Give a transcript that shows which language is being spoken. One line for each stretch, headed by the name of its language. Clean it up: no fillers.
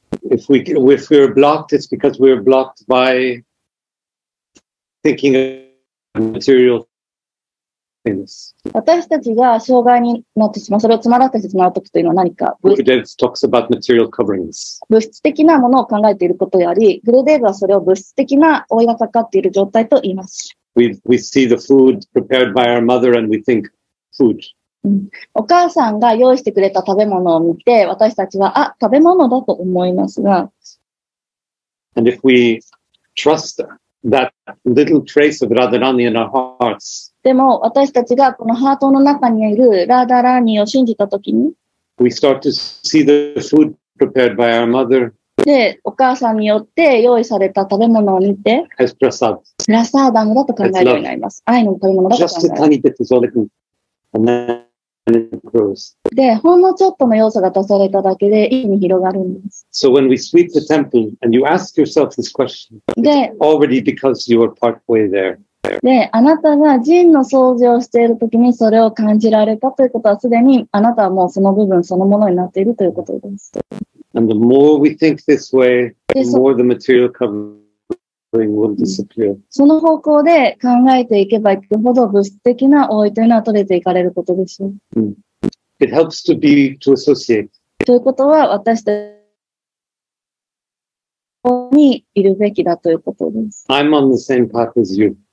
English: If we're blocked, it's because we're blocked by thinking of material things.
Japanese: 私たちが障害になってしまう、それを詰まらせてしまうときというのは何か。
English: Buddha talks about material coverings.
Japanese: 物質的なものを考えていることであり、グルデーヴはそれを物質的な覆いがかかっている状態と言います。
English: We see the food prepared by our mother and we think food.
Japanese: お母さんが用意してくれた食べ物を見て、私たちは、あ、食べ物だと思いますが。
English: And if we trust that little trace of Radharani in our hearts,
Japanese: でも、私たちがこのハートの中にいるラーダラーニを信じたときに、
English: We start to see the food prepared by our mother.
Japanese: で、お母さんによって用意された食べ物を見て、
English: As prasad.
Japanese: プラサーダムだと考えるようになります。愛の食べ物だと考えるようになります。
English: Just a tiny bit is all it can, and then it grows.
Japanese: で、ほんのちょっとの要素が足されただけで、意味に広がるんです。
English: So when we sweep the temple and you ask yourself this question, it's already because you are partway there. there.
Japanese: で、あなたが人の掃除をしているときにそれを感じられたということはすでにあなたはもうその部分そのものになっているということです。
English: And the more we think this way, the more the material covering will disappear.
Japanese: その方向で考えていけばいくほど物質的な覆いというのは取れていかれることでしょう。
English: It helps to be to associate.
Japanese: ということは私たちにいるべきだということです。
English: I'm on the same path as you.